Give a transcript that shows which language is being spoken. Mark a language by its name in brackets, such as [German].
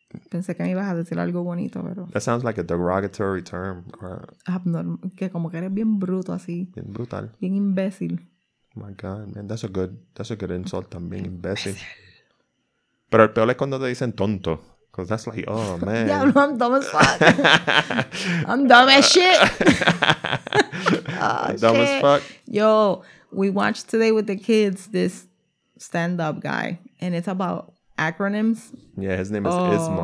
[Spanish] Pensé que me ibas a decir algo bonito, pero... [English] That sounds like a derogatory term. Abnormal. [Spanish] Que como que eres bien bruto así. Bien brutal. Bien imbécil. [English] Oh my God, man. That's a good insult [Spanish] también. Imbécil. Pero el peor es cuando te dicen tonto. [English] Because that's like, oh, man. Yeah, no, I'm dumb as fuck. I'm dumb as shit. Dumb as fuck. Yo, we watched today with the kids this stand-up guy. And it's about acronyms. Yeah, his name is Ismo.